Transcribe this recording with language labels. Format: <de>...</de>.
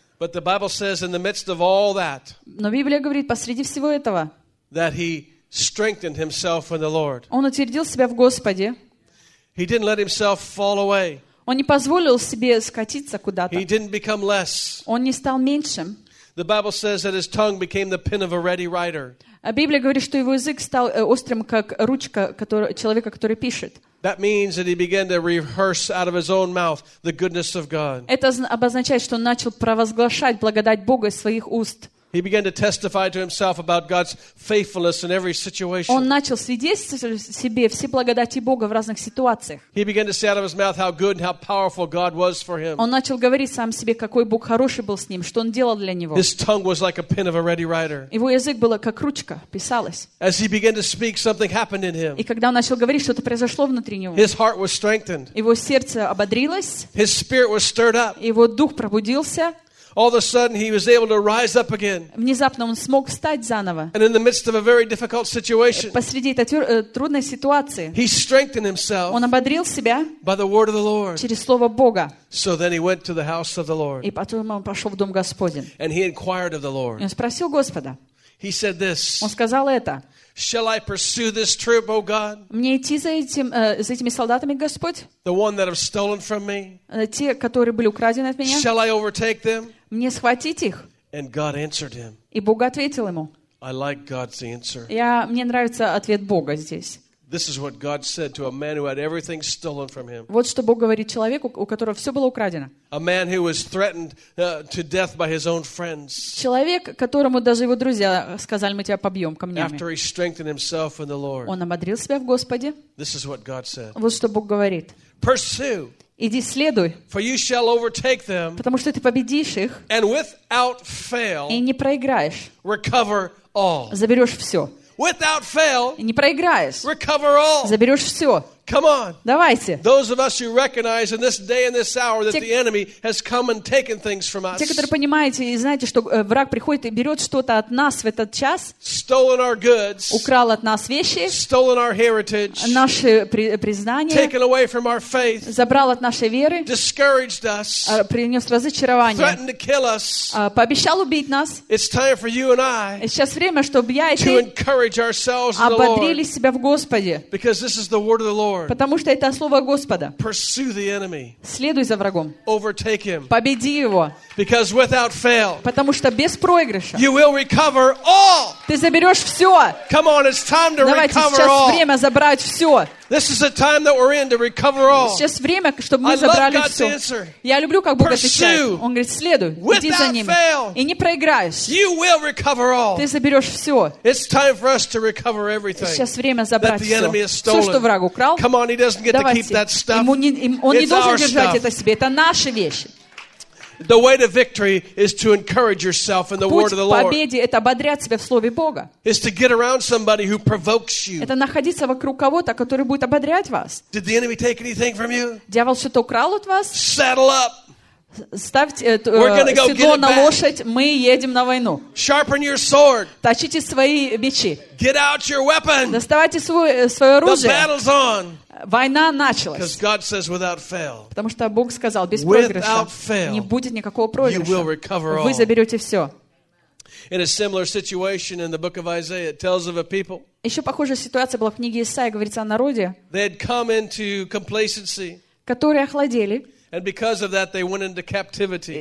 <en>But the Bible says in the midst of all that.</en> <ru>Но Библия говорит посреди всего этого.</ru> <en>That he strengthened himself in the Lord.</en> <ru>Он утвердил себя в Господе.</ru> <en>He didn't let himself fall away.</en> <ru>Он не позволил себе скатиться куда-то.</ru> <en>He didn't become less.</en> <ru>Он не стал меньшим.</ru> <en>The Bible says that his tongue became the pen of a ready writer.</en> <ru>А Библия говорит, что его язык стал острым как ручка, человека, который пишет.</ru> <en>That means that he began to rehearse out of his own mouth the goodness of God.</en> <ru>Это обозначает, что он начал провозглашать благодать Бога из своих уст.</ru> <en>He began to testify to himself about God's faithfulness in every situation.</en> <ru>Он начал свидетельствовать себе все благодати Бога в разных ситуациях.</ru> <en>He began to say out of his mouth how good and how powerful God was for him.</en> <ru>Он начал говорить сам себе, какой Бог хороший был с ним, что он делал для него.</ru> <en>His tongue was like a pen of a ready writer.</en> <ru>Его язык было как ручка, писалось.</ru> <en>As he began to speak, something happened in him.</en> <ru>И когда он начал говорить, что-то произошло внутри него.</ru> <en>His heart was strengthened.</en> <ru>Его сердце ободрилось.</ru> <en>His spirit was stirred up.</en> <ru>Его дух пробудился.</ru> <en>All of a sudden, he was able to rise up again.</en> <ru>Внезапно он смог встать заново.</ru> <en>And in the midst of a very difficult situation,</en> <ru>посреди этой трудной ситуации,</ru> <en>he strengthened himself.</en> <ru>Он ободрил себя</ru> <en>by the word of the Lord.</en> <ru>Через слово Бога.</ru> <en>So then he went to the house of the Lord.</en> <ru>И потом он пошел в дом Господень.</ru> <en>And he inquired of the Lord.</en> <ru>И он спросил Господа.</ru> <en>He said this.</en> <ru>Он сказал это.</ru> <en>Shall I pursue this troop, O God?</en> <ru>Мне идти за этими солдатами, Господь?</ru> <en>The one that have stolen from me?</en> <ru>Те, которые были украдены от меня?</ru> <en>Shall I overtake them?</en> <ru>Мне схватить их?</ru> <en>And God answered him.</en> <ru>И Бог ответил ему.</ru> <en>I like God's answer.</en> <ru>Мне нравится ответ Бога здесь.</ru> <en>This is what God said to a man who had everything stolen from him.</en> <ru>Вот что Бог говорит человеку, у которого все было украдено.</ru> <en>A man who was threatened to death by his own friends.</en> <ru>Человек, которому даже его друзья сказали, мы тебя побьем камнями.</ru> <en>After he strengthened himself in the Lord.</en> <ru>Он ободрил себя в Господе.</ru> <en>This is what God said.</en> <ru>Вот что Бог говорит.</ru> <en>Pursue.</en> <ru>Иди следуй.</ru> <en>For you shall overtake them.</en> <ru>Потому что ты победишь их.</ru> <en>And without fail.</en> <ru>И не проиграешь.</ru> <en>Recover all.</en> <ru>Заберешь все.</ru> <en>Without fail,</en> <ru>не проиграешь.</ru> <en>Recover all.</en> <ru>Заберешь все.</ru> <en>Come on.</en> <ru>Давайте.</ru> <en>Those of us who recognize in this day and this hour that the enemy has come and taken things from us.</en> <ru>Те, которые понимаете и знаете, что враг приходит и берет что-то от нас в этот час.</ru> <en>Stolen our goods.</en> <ru>Украл от нас вещи.</ru> <en>Stolen our heritage.</en> <ru>Наше признание.</ru> <en>Taken away from our faith.</en> <ru>Забрал от нашей веры.</ru> <en>Discouraged us.</en> <ru>Принес разочарование.</ru> <en>Threatened to kill us.</en> <ru>Пообещал убить нас.</ru> <en>It's time for you and I.</en> <ru>Сейчас время, чтобы я и ты.</ru> <en>To encourage ourselves in the Lord.</en> <ru>Ободрили себя в Господе.</ru> <en>Because this is the word of the Lord.</en> <ru>Потому что это слово Господа.</ru> <en>Pursue the enemy.</en> <ru>Следуй за врагом.</ru> <en>Overtake him.</en> <ru>Победи его.</ru> <en>Because without fail.</en> <ru>Потому что без проигрыша.</ru> <en>You will recover all.</en> <ru>Ты заберешь все.</ru> <en>Come on, it's time to recover all.</en> <ru>Давайте сейчас время забрать все.</ru> <en>This is the time that we're in to recover all.</en> <ru>Сейчас время, чтобы мы забрали все.</ru> <en>I love God's answer.</en> <ru>Я люблю, как Бог отвечает. Он говорит, следуй. Иди за ним. И не проиграешь.</ru> <en>You will recover all.</en> <ru>Ты заберешь все.</ru> <en>It's time for us to recover everything.</en> <ru>Сейчас время забрать все. Все, что враг украл.</ru> <en>Come on, he doesn't get</en> <ru>Давайте.</ru> <en>To keep that stuff.</en> <ru>Ему не, он не должен держать это себе. Это наши вещи.</ru> <en>The way to victory is to encourage yourself in the word of the Lord.</en> <ru>Путь к победе — это ободрять себя в слове Бога.</ru> <en>Is to get around somebody who provokes you.</en> <ru>Это находиться вокруг кого-то, который будет ободрять вас.</ru> <en>Did the enemy take anything from you?</en> <ru>Дьявол что-то украл от вас?</ru> <en>Saddle up.</en> <ru>Ставьте седло на лошадь, мы едем на войну.</ru> <en>Sharpen your sword.</en> <ru>Точите свои мечи.</ru> <en>Get out your weapon.</en> <ru>Доставайте свое оружие.</ru> <en>The battle's on.</en> <ru>Война началась.</ru> <en>Because God says without fail.</en> <ru>Потому что Бог сказал, без проигрыша не будет никакого проигрыша.</ru> <en>You will recover all.</en> <ru>Вы заберете все.</ru> <en>In a similar situation in the book of Isaiah, it tells of a people.</en> <ru>Еще похожая ситуация была в книге Исаии, говорится о народе.</ru> <en>They had come into complacency.</en> <ru>Которые охладели.</ru> <en>And because of that, they went into captivity.</en>